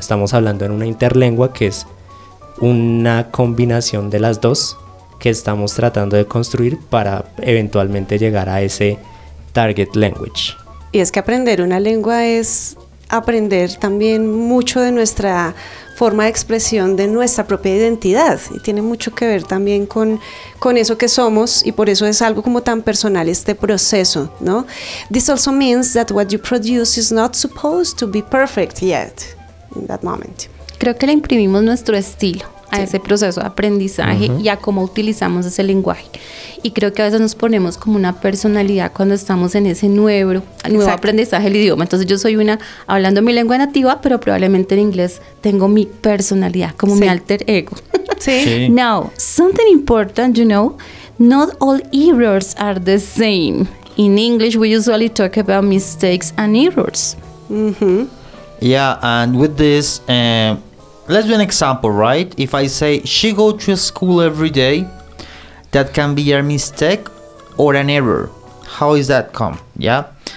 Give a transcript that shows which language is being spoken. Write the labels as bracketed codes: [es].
[es] Estamos hablando en una interlengua, que es una combinación de las dos que estamos tratando de construir para eventualmente llegar a ese target language. Y es que aprender una lengua es aprender también mucho de nuestra forma de expresión, de nuestra propia identidad, y tiene mucho que ver también con eso que somos, y por eso es algo como tan personal este proceso, ¿no? [en] This also means that what you produce is not supposed to be perfect yet in that moment. [es] Creo que le imprimimos nuestro estilo a ese proceso de aprendizaje uh-huh. y a cómo utilizamos ese lenguaje. Y creo que a veces nos ponemos como una personalidad cuando estamos en ese nuevo Exacto. aprendizaje del idioma. Entonces yo soy una hablando mi lengua nativa, pero probablemente en inglés tengo mi personalidad, como sí. mi alter ego. Sí. [en] Now, something important, you know, not all errors are the same. In English, we usually talk about mistakes and errors. Uh-huh. Yeah, and with this... Let's do an example, right? If I say she go to school every day, that can be a mistake or an error. How is that come? Yeah.